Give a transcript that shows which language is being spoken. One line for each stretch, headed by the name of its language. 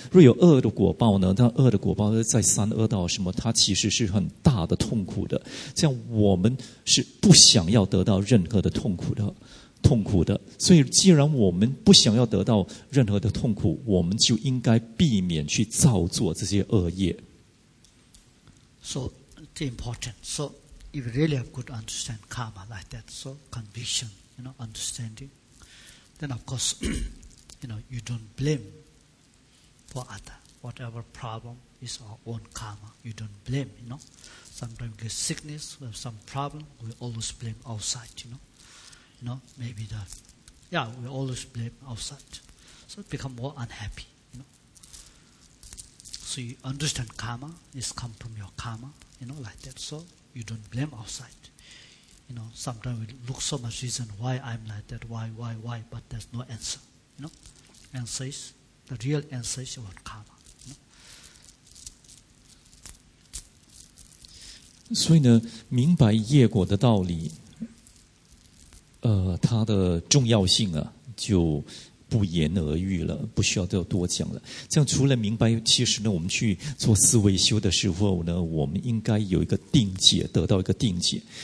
Chinese: 若有恶的果报呢，那恶的果报在三恶道什么，它其实是很大的痛苦的。这样我们是不想要得到任何的痛苦的，所以既然我们不想要得到任何的痛苦，我们就应该避免去造作这些恶业。
English: So it's important. So if you really have good understand karma like that, so conviction, you know, understanding, then of course, you know, you don't blame for other whatever problem is our own karma. You don't blame, you know. Sometimes get sickness, we have some problem, we always blame outside, you know. No, maybe that. Yeah, we always blame outside. So it becomes more unhappy. You know? So you understand karma, it's come from your karma, you know, like that. So you don't blame outside. You know, sometimes we look so much reason why I'm like that, why, but there's no answer. You know, answer is, the real answer is about karma. You know?
Chinese: 所以呢，明白业果的道理，它的重要性啊，就不言而喻了，不需要多讲了。这样除了明白，其实呢，我们去做思维修的时候呢，我们应该有一个定解，得到一个定解。